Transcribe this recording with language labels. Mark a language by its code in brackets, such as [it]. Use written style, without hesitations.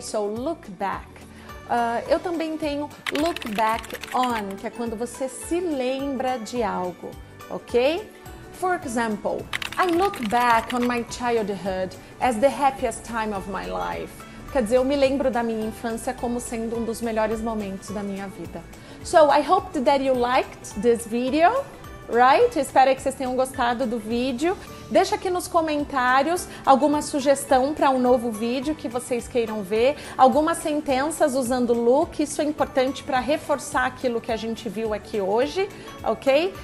[pt] So, look back. Eu também tenho look back on, que é quando você se lembra de algo, ok? [en] For example, I look back on my childhood as the happiest time of my life. [pt] Quer dizer, eu me lembro da minha infância como sendo um dos melhores momentos da minha vida. [en] So, I hope that you liked this video, right? [pt] Espero que vocês tenham gostado do vídeo. Deixa aqui nos comentários alguma sugestão para um novo vídeo que vocês queiram ver. Algumas sentenças usando look. Isso é importante para reforçar aquilo que a gente viu aqui hoje, ok?